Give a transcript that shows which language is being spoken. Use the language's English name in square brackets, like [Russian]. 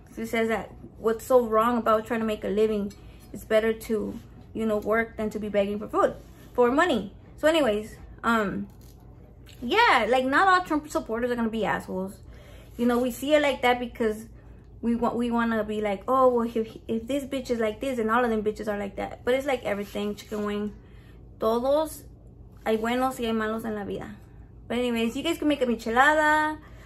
[English] She says that what's so wrong about trying to make a living, it's better to, you know, work than to be begging for food, for money. So anyways, yeah, like not all Trump supporters are going to be assholes. You know, we see it like that because we want to be like, oh, well, if this bitch is like this, and all of them bitches are like that. But it's like everything, chicken wing. [Spanish] Todos hay buenos y hay malos en la vida. [English] But anyways, you guys can make a michelada.